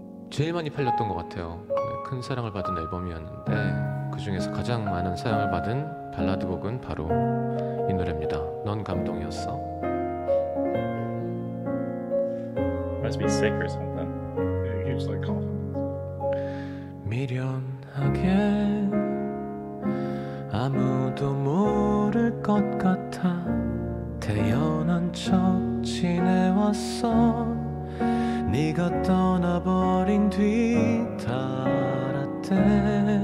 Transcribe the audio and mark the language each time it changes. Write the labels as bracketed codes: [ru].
[ko] 제일 많이 팔렸던 것 같아요. 큰 사랑을 받은 앨범이었는데 그 중에서 가장 많은 사랑을 받은 발라드 곡은 바로 이 노래입니다. 넌 감동이었어. [en] Must be sick or something. Yeah, he was like coughing. [ko] 미련하게 아무도 모를 것 같아 태연한 척 지내왔어 네가 떠나버린 뒤 달았대